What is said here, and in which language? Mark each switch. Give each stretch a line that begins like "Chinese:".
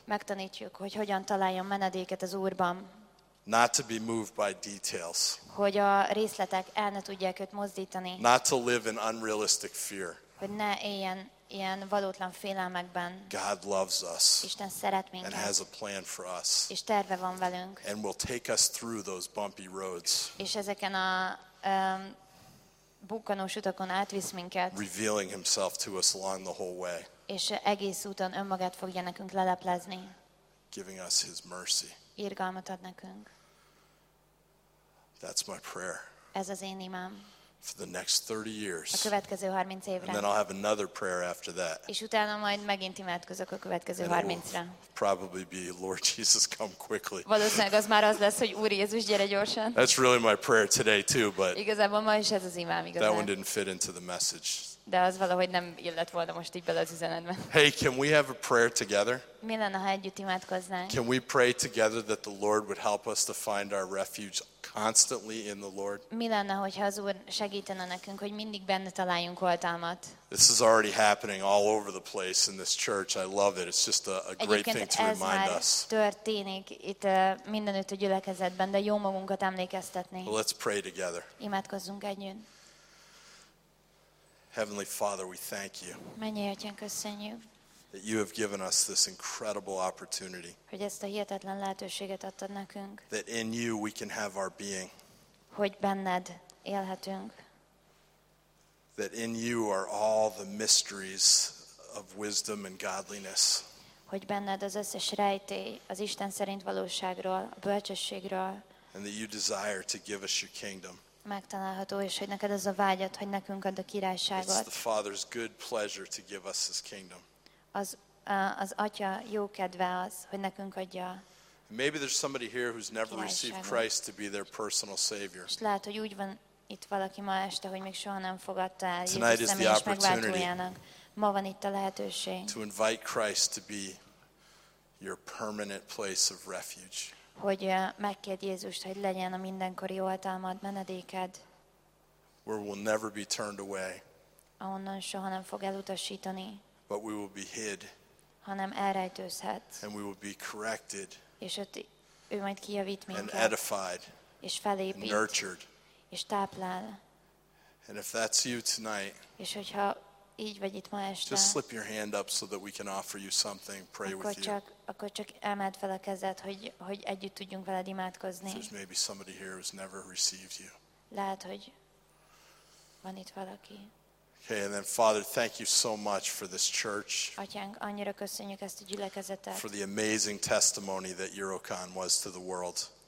Hungarian: Megtanítjuk, hogy hogyan találjon menedéket az Úrban.
English: Not to be moved by details.
Hungarian: Hogy a részletek el ne tudják őt mozdítani.
English: Not to live in unrealistic fear.
Hungarian: Hogy ne éljen ilyen valótlan félelmekben.
English: God loves us.
Hungarian: Isten szeret minket.
English: And has a plan for us.
Hungarian: És terve van velünk.
English: And will take us through those bumpy roads.
Hungarian: És ezeken a bukkanós utakon átvisz minket.
English: Revealing himself to us along the whole way.
Hungarian: És egész úton önmagát fogja nekünk leleplezni.
English: Giving us his mercy.
Hungarian: Irgalmat ad nekünk.
English: That's my prayer.
Hungarian: Ez az én imám.
English: for the next 30 years.
Hungarian: A következő 30 évre.
English: And then I'll have another prayer after that.
Hungarian: És utána majd megint imádkozok a következő 30-ra.
English: Probably be, Lord Jesus, come quickly.
Hungarian: Valószínűleg az már az lesz, hogy Úr Jézus, gyere gyorsan.
English: That's really my prayer today too, but
Hungarian: igazából ma is ez az imám, igazán.
English: That one didn't fit into the message.
Hungarian: De az valahogy nem illett volna most így bele az üzenetbe.
English: Hey, can we have a prayer together?
Hungarian: Mi lenne, ha együtt imádkoznánk?
English: Can we pray together that the Lord would help us to find our refuge constantly in the Lord?
Hungarian: Mi lenne, hogyha az Úr segítene nekünk, hogy mindig benne találjunk oltalmat?
English: This is already happening all over the place in this church. I love it. It's just a great thing to remind us.
Hungarian: Ez már történik itt mindenütt a gyülekezetben, de jó magunkat emlékeztetni.
English: Well, let's pray together.
Hungarian: Imádkozzunk együtt.
English: Heavenly Father, we thank you.
Hungarian: Mennyi Atyán, köszönjük.
English: That you have given us this incredible opportunity.
Hungarian: Hogy ezt a hihetetlen lehetőséget adtad nekünk.
English: That in you we can have our being.
Hungarian: Hogy benned élhetünk.
English: That in you are all the mysteries of wisdom and godliness.
Hungarian: Hogy benned az összes rejtély az Isten szerint valóságról, a bölcsességről.
English: And that you desire to give us your kingdom.
Hungarian: Megtalálható, és hogy neked az a vágyat, hogy nekünk add a királyságot.
English: It's the Father's good pleasure to give us his kingdom.
Hungarian: Az Atya jó kedve az, hogy nekünk adja.
English: Maybe there's somebody here who's never received Christ to be their personal savior.
Hungarian: És lehet, hogy úgy van itt valaki ma este, hogy még soha nem fogadta el Jézus személyes megváltójának. Ma van itt a lehetőség.
English: To invite Christ to be your permanent place of refuge.
Hungarian: Hogy megkérd Jézust, hogy legyen a mindenkori oltalmad, menedéked.
English: Where we'll never be turned away.
Hungarian: Ahonnan soha nem fog elutasítani.
English: But we will be hid.
Hungarian: Hanem elrejtőzhet.
English: And we will be corrected.
Hungarian: És ott ő majd kijavít minket.
English: And edified.
Hungarian: És felépít.
English: And nurtured.
Hungarian: És táplál.
English: And if that's you tonight.
Hungarian: És hogyha így vagy itt ma este.
English: Just slip your hand up so that we can offer you something, pray with you.
Hungarian: Akkor csak emeld fel a kezed, hogy együtt tudjunk veled imádkozni.
English: There's maybe somebody here who's never received you.
Hungarian: Lehet, hogy van itt valaki.
English: Okay, and then Father, thank you so much for this church.
Hungarian: Atyánk, annyira köszönjük ezt a gyülekezetet.
English: For the amazing testimony that Eurocon was to the world.